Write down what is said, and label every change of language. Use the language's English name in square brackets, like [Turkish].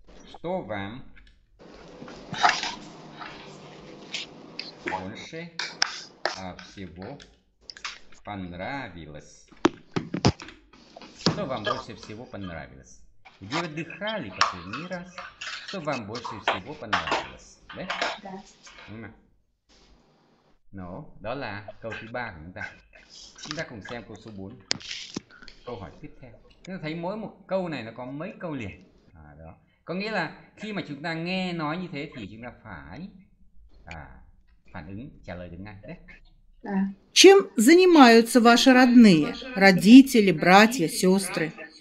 [Russian] Что вам больше всего понравилось? Что вам больше всего понравилось? Где вы отдыхали последний раз? Что вам больше всего понравилось? Да? Да. [Vietnamese] Ну, đó là câu thứ ba của chúng ta. Chúng ta cùng xem câu số 4. Câu hỏi tiếp theo. Chúng ta thấy mỗi một câu này nó có mấy câu liền. Đó. Có nghĩa là khi mà chúng ta nghe nói như thế thì chúng ta phải phản ứng trả lời được ngay đấy. [Russian] Чем занимаются ваши родные? Родители, братья, сестры?